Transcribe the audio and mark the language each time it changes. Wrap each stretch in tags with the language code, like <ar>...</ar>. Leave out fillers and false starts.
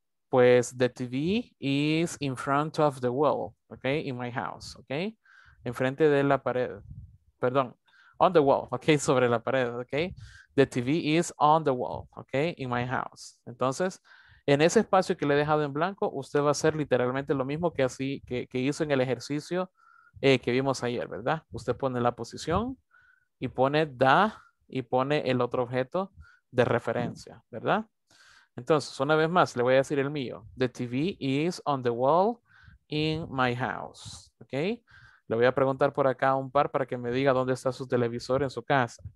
<en>Pues the TV is in front of the wall, ok, in my house, ok.</en> <es>Enfrente de la pared. Perdón.</es> <en>On the wall,</en> <es>ok, sobre la pared, ok.</es> <en>The TV is on the wall, ok, in my house.</en> <es>Entonces, en ese espacio que le he dejado en blanco, usted va a hacer literalmente lo mismo que así, que hizo en el ejercicio que vimos ayer, ¿verdad? Usted pone la posición y pone the y pone el otro objeto de referencia, ¿verdad? Entonces, una vez más, le voy a decir el mío.</es> <en>The TV is on the wall in my house, ok.</en> <es>Le voy a preguntar por acá a un par para que me diga dónde está su televisor en su casa.</es>